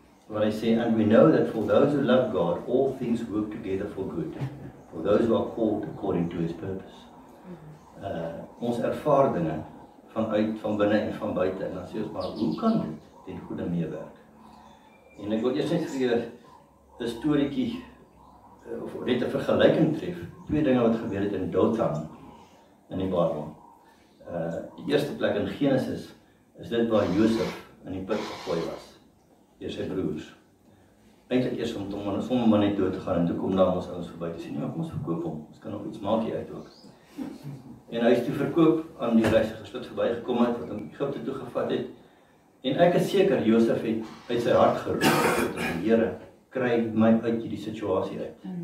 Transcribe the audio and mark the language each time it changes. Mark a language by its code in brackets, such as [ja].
[af] Wat hy sê, [en] and we know that for those who love God, all things work together for good, for those who are called according to his purpose. [af] Ons ervaar dinge vanuit, van binne en van buite, en dan sê ons maar, hoe kan dit ten goede meewerk? En ek wil eers net vir 'n storiekie of net 'n vergelyking tref. Twee dinge wat gebeur het in Dothan in die Bybel. Die eerste plek in Genesis is dit waar Josef in die put gegooi was deur sy broers. Eintlik eers om hom as hom net dood te gaan en toe kom daar ons ouens verby te sien, nee, kom ons verkoop hom. Ons kan nog iets maak hier uit ook. En hy is toe verkoop aan die reisigers wat verbygekom het wat hom Egipte toe gevat het. En ek is seker Josef het uit sy hart geroep tot die Here, kry my uit hierdie situasie uit.